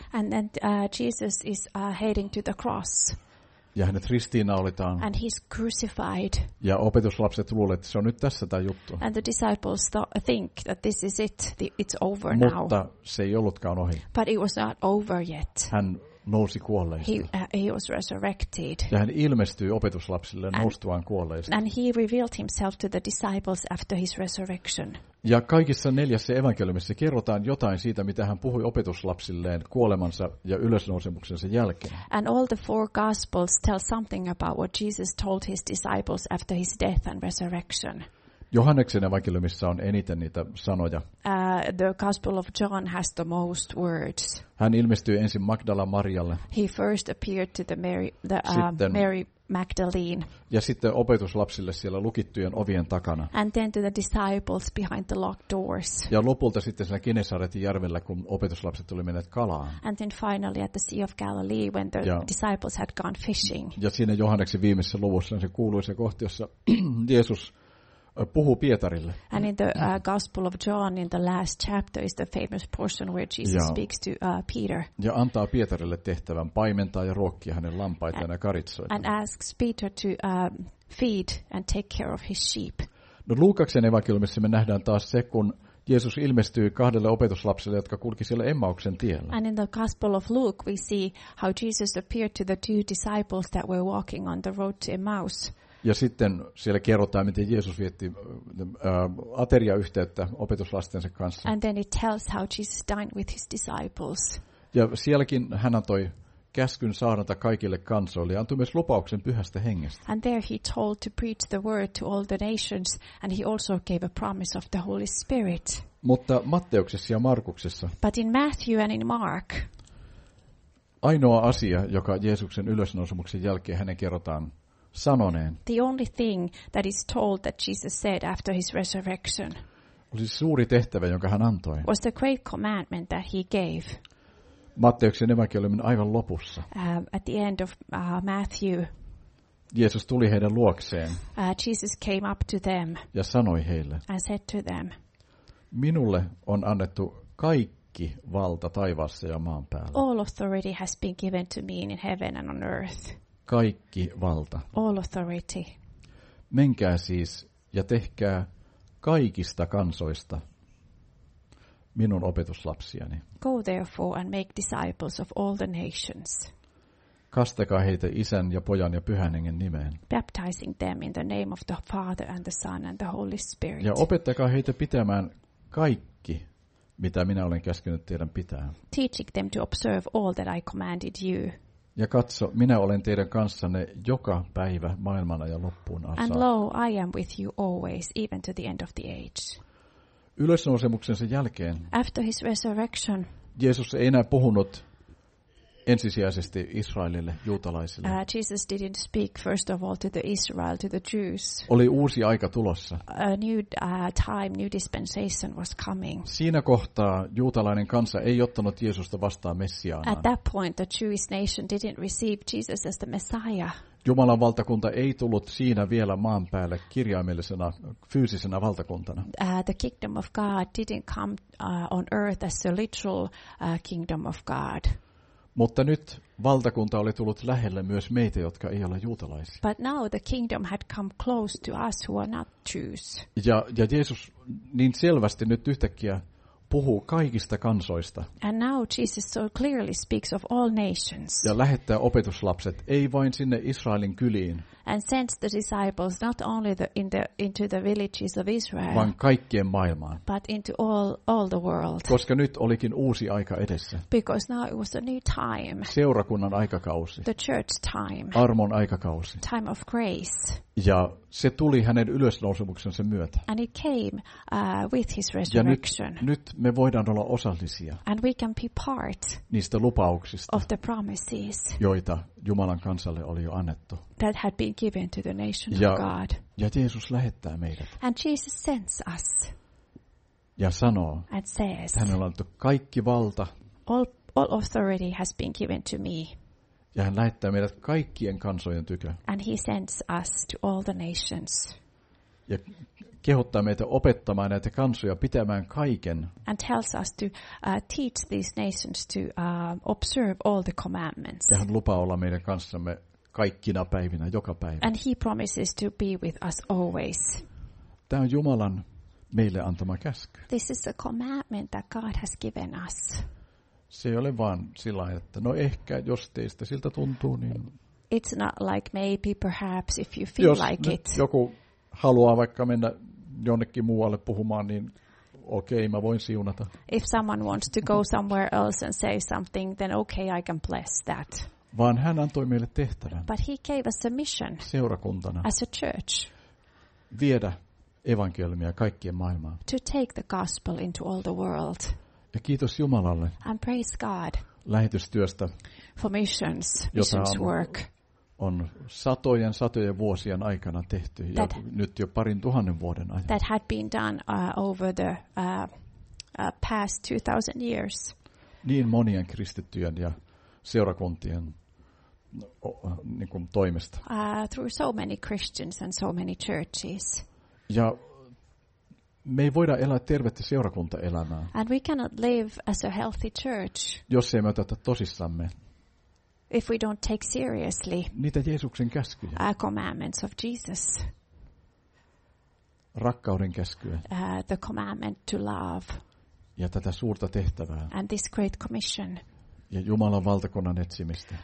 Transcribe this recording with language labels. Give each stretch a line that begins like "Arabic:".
English: And then Jesus is heading to the cross.
Finnish: Ja hänet ristiinnaulitaan.
English: And he's crucified.
Finnish: Ja opetuslapset luulee, että se on nyt tässä tämä juttu.
English: And the disciples think that this is it, it's over
Finnish: mutta
English: now.
Finnish: Mutta se ei ollutkaan ohi.
English: But it was not over yet.
Finnish: Hän nousi kuolleista.
English: He was resurrected.
Finnish: Ja hän ilmestyi opetuslapsille noustuaan kuolleista.
English: And he revealed himself to the disciples after his resurrection.
Finnish: Ja kaikissa neljässä evankeliumissa kerrotaan jotain siitä, mitä hän puhui opetuslapsilleen kuolemansa ja ylösnousemuksensa jälkeen.
English: And all the four gospels tell something about what Jesus told his disciples after his death and resurrection.
Finnish: Johanneksen evankeliumissa on eniten niitä sanoja.
English: The Gospel of John has the most words.
Finnish: Hän ilmestyi ensin Magdala Marialle.
English: He first appeared to Mary Magdalene.
Finnish: Ja sitten opetuslapsille siellä lukittujen ovien takana.
English: And then to the disciples behind the locked doors.
Finnish: Ja lopulta sitten siinä Genesaretin järvellä, kun opetuslapset oli menneet kalaan.
English: And then finally at the Sea of Galilee when the disciples had gone fishing.
Finnish: Ja siinä Johanneksen viimeisessä luvussa se kuuluisa kohti, jossa Jeesus puhuu Pietarille.
English: And in the Gospel of John, in the last chapter, is the famous portion where Jesus speaks to Peter.
Finnish: Ja antaa Pietarille tehtävän paimentaa ja ruokkia hänen lampaitaan ja karitsoitaan.
English: And asks Peter to feed and take care of his sheep.
Finnish: No Luukaksen evankeliumissa me nähdään taas se, kun Jeesus ilmestyy kahdelle opetuslapselle, jotka kulki siellä Emmauksen tiellä.
English: And in the Gospel of Luke, we see how Jesus appeared to the two disciples that were walking on the road to Emmaus.
Finnish: Ja sitten siellä kerrotaan, miten Jeesus vietti ateriayhteyttä opetuslastensa kanssa.
English: And then it tells how Jesus dined with his disciples.
Finnish: Ja sielläkin hän antoi käskyn saarnata kaikille kansoille ja antoi myös lupauksen Pyhästä Hengestä.
English: And there he told to preach the word to all the nations and he also gave a promise of the Holy Spirit.
Finnish: Mutta Matteuksessa ja Markuksessa.
English: But in Matthew and in Mark.
Finnish: Ainoa asia, joka Jeesuksen ylösnousumuksen jälkeen hänen kerrotaan sanoneen.
English: The only thing that is told that Jesus said after his resurrection.
Finnish: Oli suuri tehtävä, jonka hän antoi.
English: Was the great commandment that he gave.
Finnish: Matteuksen evankeliumin aivan lopussa.
English: At the end of Matthew.
Finnish: Jeesus tuli heidän luokseen.
English: Jesus came up to them.
Finnish: Ja sanoi heille.
English: And said to them.
Finnish: Minulle on annettu kaikki valta taivaassa ja maan päällä.
English: All authority has been given to me in heaven and on earth.
Finnish: Kaikki valta.
English: All authority.
Finnish: Menkää siis ja tehkää kaikista kansoista minun opetuslapsiani.
English: Go therefore and make disciples of all the nations.
Finnish: Kastakaa heitä Isän ja Pojan ja Pyhän Hengen nimeen.
English: Baptizing them in the name of the Father and the Son and the Holy Spirit.
Finnish: Ja opettakaa heitä pitämään kaikki, mitä minä olen käskenyt teidän pitää.
English: Teaching them to observe all that I commanded you.
Finnish: Ja katso, minä olen teidän kanssanne joka päivä maailmanajan loppuun asti.
English: And lo, I am with you always, even to the end of the age.
Finnish: Ylösnousemuksensa jälkeen.
English: After his resurrection.
Finnish: Jeesus ei enää puhunut ensisijaisesti Israelille, juutalaisille.
English: Jesus didn't speak first of all to the Israel, to the Jews.
Finnish: Oli uusi aika tulossa.
English: A new time, new dispensation was coming.
Finnish: Siinä kohtaa juutalainen kansa ei ottanut Jeesusta vastaan Messiaanaan.
English: At that point, the Jewish nation didn't receive Jesus as the Messiah.
Finnish: Jumalan valtakunta ei tullut siinä vielä maan päälle kirjaimellisena, fyysisenä valtakuntana.
English: The kingdom of God didn't come on earth as the literal kingdom of God.
Finnish: Mutta nyt valtakunta oli tullut lähelle myös meitä, jotka ei ole juutalaisia.
English: But now the kingdom had come close to us who are not Jews.
Finnish: Ja Jeesus niin selvästi nyt yhtäkkiä puhuu kaikista kansoista.
English: And now Jesus so clearly speaks of all nations.
Finnish: Ja lähettää opetuslapset ei vain sinne Israelin kyliin.
English: And sends the disciples not only into the villages of Israel.
Finnish: Vaan kaikkien maailmaan.
English: But into all the world.
Finnish: Koska nyt olikin uusi aika edessä.
English: Because now it was a new time.
Finnish: Seurakunnan aikakausi.
English: The church time.
Finnish: Armon aikakausi.
English: Time of grace.
Finnish: Ja se tuli hänen ylösnousemuksensa myötä.
English: And it came with his resurrection.
Finnish: Ja nyt me voidaan olla osallisia.
English: And we can be part
Finnish: niistä lupauksista.
English: Of the promises.
Finnish: Joita Jumalan kansalle oli jo annettu.
English: That had been given to the nation of God.
Finnish: Ja Jeesus lähettää meidät.
English: And Jesus sends us.
Finnish: Ja sanoo.
English: And says.
Finnish: Hänellä on kaikki valta.
English: All authority has been given to me.
Finnish: Ja hän lähettää meidät kaikkien kansojen tykö.
English: And he sends us to all the nations.
Finnish: Ja kehottaa meitä opettamaan näitä kansoja pitämään kaiken.
English: And tells us to teach these nations to observe all the commandments.
Finnish: Ja hän lupaa olla meidän kanssamme kaikkina päivinä, joka päivä.
English: And he promises to be with us always.
Finnish: Tämä on Jumalan meille antama käsky.
English: This is a commandment that God has given us.
Finnish: Se ei ole vaan sillä, että no ehkä, jos teistä siltä tuntuu, niin...
English: It's not like maybe, perhaps, if you feel like it.
Finnish: Jos joku haluaa vaikka mennä jonnekin muualle puhumaan, niin okei, mä voin siunata.
English: If someone wants to go somewhere else and say something, then okay, I can bless that.
Finnish: Vaan hän antoi meille tehtävän.
English: But he gave us a mission.
Finnish: Seurakuntana.
English: As a church.
Finnish: Viedä evankeliumia kaikkien maailmaan.
English: To take the gospel into all the world.
Finnish: Ja kiitos Jumalalle.
English: And praise God.
Finnish: Lähetystyöstä.
English: For missions. Missions work.
Finnish: On satojen vuosien aikana tehty. That, ja nyt jo parin tuhannen vuoden ajan.
English: That had been done over the past 2000 years.
Finnish: Niin monien kristittyjen ja seurakuntien niin kuin toimesta.
English: Through so many Christians and so many churches.
Finnish: Ja me ei voida elää tervettä seurakuntaelämää.
English: And we cannot live as a healthy church.
Finnish: Jos emme ota tosissamme.
English: If we don't take seriously.
Finnish: Niitä Jeesuksen käskyjä.
English: The commandments of Jesus.
Finnish: Rakkauden käskyä.
English: The commandment to love.
Finnish: Ja tätä suurta tehtävää.
English: And this great commission.
Finnish: Ja Jumalan valtakunnan etsimistä.